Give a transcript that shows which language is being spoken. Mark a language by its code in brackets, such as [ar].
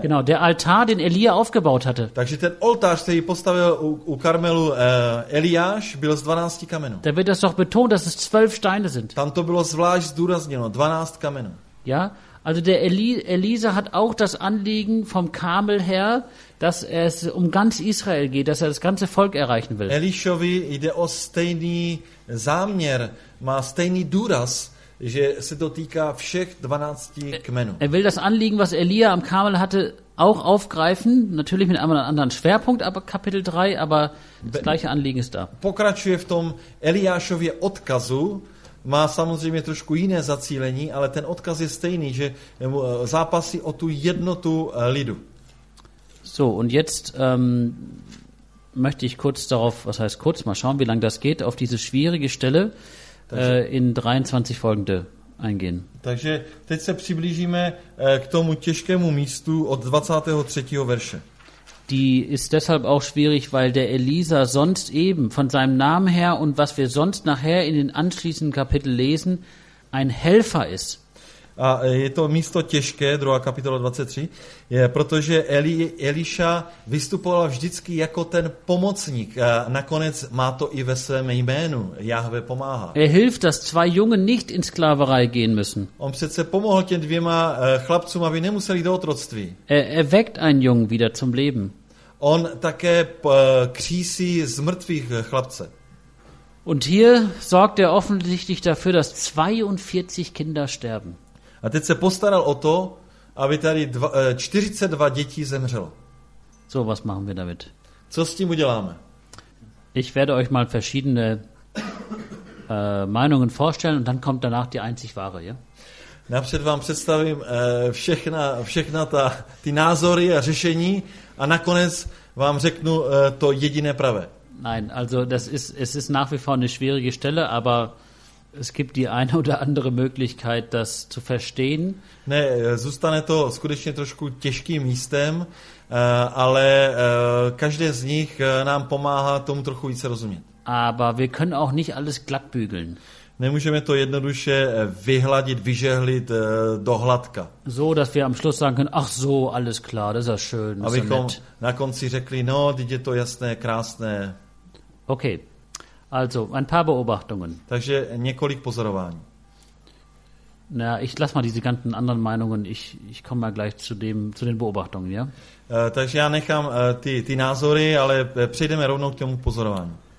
[de] Genau, der Altar, den Elia aufgebaut hatte. [cs] Takže ten oltář, který postavil u Karmelu Eliáš, byl z 12 kamenů. [de] Da wird das doch betont, dass es 12 Steine sind. [cs] Tam to bylo zvlášť zdůrazněno, 12 kamenů. [de] Ja, also der Elisa hat auch das Anliegen vom Karmel her, dass es um ganz Israel geht, dass er das ganze Volk erreichen will. [cs] Elišovi jde o stejný záměr, má stejný důraz, že se to týká všech 12 kmenů. [de] Er will das Anliegen, was Elia am Karmel hatte, auch aufgreifen, natürlich mit einem anderen Schwerpunkt, aber Kapitel 3, aber das gleiche Anliegen ist da. [cs] Pokračuje v tom Eliášově odkazu, má samozřejmě trošku jiné zacílení, ale ten odkaz je stejný, že zápasí o tu jednotu lidu. [de] So, und jetzt möchte ich kurz darauf, was heißt kurz, mal schauen, wie lange das geht, auf diese schwierige Stelle, takže, in 23 folgende eingehen. [cs] Takže teď se přiblížíme k tomu těžkému místu od 23. verše. [de] Die ist deshalb auch schwierig, weil der Elisa sonst eben von seinem Namen her und was wir sonst nachher in den anschließenden Kapitel lesen, ein Helfer ist. [cs] A je to místo těžké, 2. kapitola 23, je, protože Eliša vystupoval vždycky jako ten pomocník. A nakonec má to i ve svém jménu, Jahve pomáhá. [de] Er hilft, dass zwei Jungen nicht in Sklaverei gehen müssen. [cs] On přece pomohl těm dvěma chlapcům, aby nemuseli do otroctví. [de] Er weckt einen Jungen wieder zum Leben. [cs] On také kříší z mrtvých chlapce. [de] Und hier sorgt er offensichtlich dafür, dass 42 Kinder sterben. [cs] A teď se postaral o to, aby tady 42 dětí zemřelo. [de] So, was machen wir damit? [cs] Co s tím uděláme? [de] Ich werde euch mal verschiedene Meinungen vorstellen und dann kommt danach die einzig wahre, ja? [cs] Napřed vám představím všechna ty názory a řešení a nakonec vám řeknu to jediné pravé. [de] Nein, also es ist nach wie vor eine schwierige Stelle, aber es gibt die eine oder andere Möglichkeit, das zu verstehen. [cs] Ne, zůstane to skutečně trošku těžkým místem, ale každé z nich nám pomáhá tomu trochu více rozumět. [de] Aber wir können auch nicht alles glatt bügeln. [cs] Nemůžeme to jednoduše vyhladit, vyžehlit do hladka. [de] So, dass wir am Schluss sagen können, ach so, alles klar, das ist ja schön. [cs] Abychom na konci řekli, no, teď je to jasné, krásné. Okay. [de] Also, ein paar Beobachtungen. [cs] Takže několik pozorování. [de] Na, ich lass mal diese ganzen anderen Meinungen, ich komme mal gleich zu den Beobachtungen, ja? [cs] Takže já nechám ty názory, ale přejdeme rovnou k tomu pozorování.